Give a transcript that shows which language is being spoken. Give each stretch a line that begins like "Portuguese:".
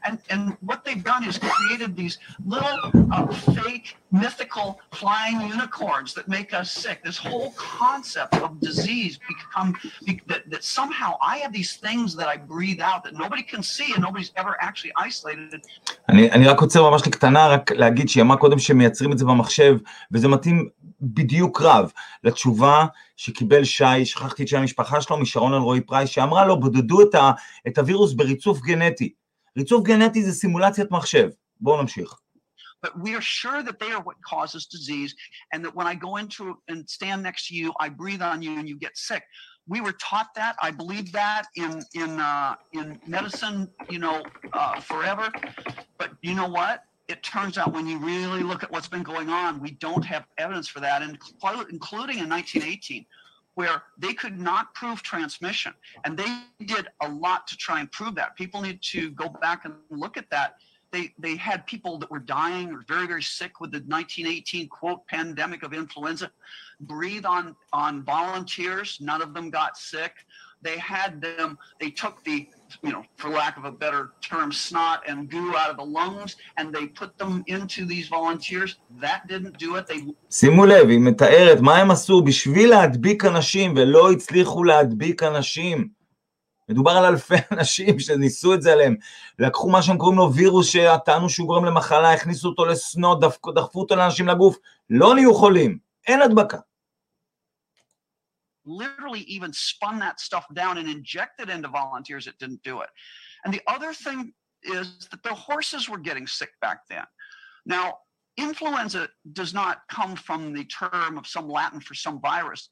English: And what they've done is created these little fake mythical flying unicorns that make us sick. This whole concept of disease that somehow I have these things that I breathe out that nobody can see and nobody's ever actually isolated.
Hebrew: אני רק רוצה ממש לקטנה רק להגיד שימה קודם שמייצרים את זה במחשב, וזה מתאים בדיוק רב לתשובה שקיבל שי, שכחתי את שם המשפחה שלו, משרון אלרועי פרייס, שאמרה לו, בודדו את הווירוס בריצוף גנטי. ריצוף גנטי זה סימולציית מחשב. בואו נמשיך.
English: But we are sure that they are what causes disease, and that when I go into and stand next to you, I breathe on you and you get sick. We were taught that, I believe that in medicine, you know, forever. But you know what? It turns out when you really look at what's been going on, we don't have evidence for that, including in 1918, where they could not prove transmission. And they did a lot to try and prove that. People need to go back and look at that. They had people that were dying or very, very sick with the 1918 quote pandemic of influenza breathe on volunteers. None of them got sick. They had them, they took the, you know, for lack of a better term, snot and goo out of the lungs, and they put them into these volunteers. That didn't do it.
Hebrew: שימו לב, היא מתארת מה הם עשו בשביל להדביק אנשים ולא הצליחו להדביק אנשים. מדובר על אלפי אנשים שניסו את זה עליהם, לקחו מה שהם קוראים לו וירוס שטענו שהוא גורם למחלה, הכניסו אותו לסנות, דחפו אותו לאנשים לגוף, לא נהיו חולים, אין הדבקה.
English: Literally even spun that stuff down and injected into volunteers that didn't do it. And the other thing is that the horses were getting sick back then. Now, influenza does not come from the term of some Latin for some virus.